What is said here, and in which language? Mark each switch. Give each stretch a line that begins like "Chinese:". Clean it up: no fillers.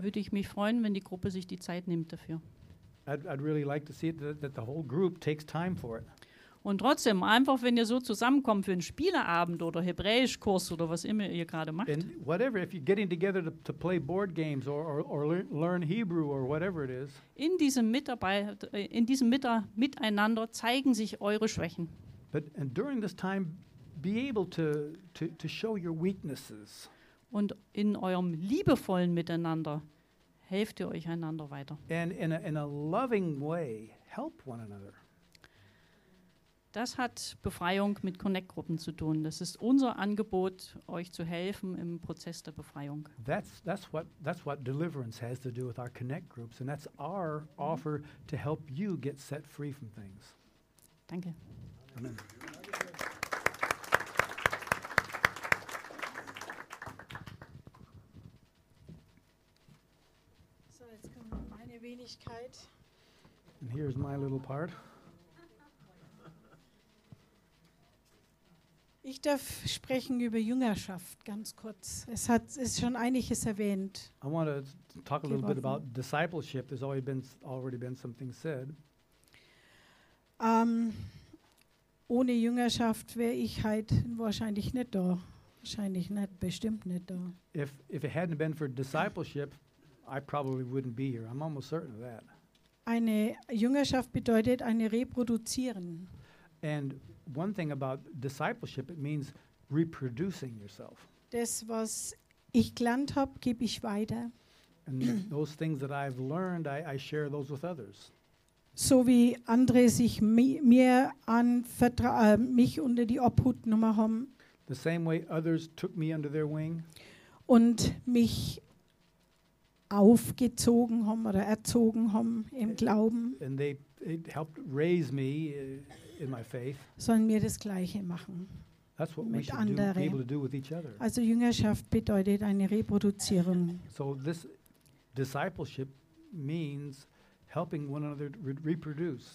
German: Würde ich mich freuen, wenn die Gruppe sich die Zeit nimmt dafür.
English: I'd really like to see it that the whole group takes time for it.
German: Und trotzdem, einfach wenn ihr so zusammenkommt für einen Spieleabend oder Hebräischkurs oder was immer ihr gerade macht.
English: And whatever, if you're getting together to play board games or learn Hebrew or whatever it is.
German: In diesem Miteinander zeigen sich eure Schwächen.
English: But and during this time, be able to show your weaknesses.
German: Und in eurem liebevollen Miteinander helft ihr euch einander weiter.
English: And in a loving way, help one another.
German: Das hat Befreiung mit Connect-Gruppen zu tun. Das ist unser Angebot, euch zu helfen im Prozess der Befreiung.
English: That's what Deliverance has to do with our Connect groups, and that's our offer to help you get set free from things.
German: Danke. Amen. So, jetzt kommt meine Wenigkeit.
English: And here's my little part.
German: Ich darf sprechen über Jüngerschaft ganz kurz. Es ist schon einiges erwähnt.
English: I want to talk a little bit about discipleship. There's already been something said.
German: Ohne Jüngerschaft wäre ich halt wahrscheinlich nicht da. Wahrscheinlich nicht, bestimmt nicht da.
English: If it hadn't been for discipleship, I probably wouldn't be here. I'm almost certain of that.
German: Eine Jüngerschaft bedeutet eine Reproduzieren.
English: And one thing about discipleship, it means reproducing yourself.
German: Das, was ich gelernt habe, gebe ich weiter.
English: And those things that I've learned, I share those with others.
German: So wie andere sich mir mich unter die Obhut genommen haben.
English: The same way others took me under their wing.
German: Und mich aufgezogen haben oder erzogen haben im Glauben.
English: And it helped raise me in my faith.
German: Sollen wir das Gleiche machen.
English: That's what we should do, be able to do with each other.
German: Also Jüngerschaft bedeutet eine Reproduzierung.
English: So this discipleship means helping one another reproduce.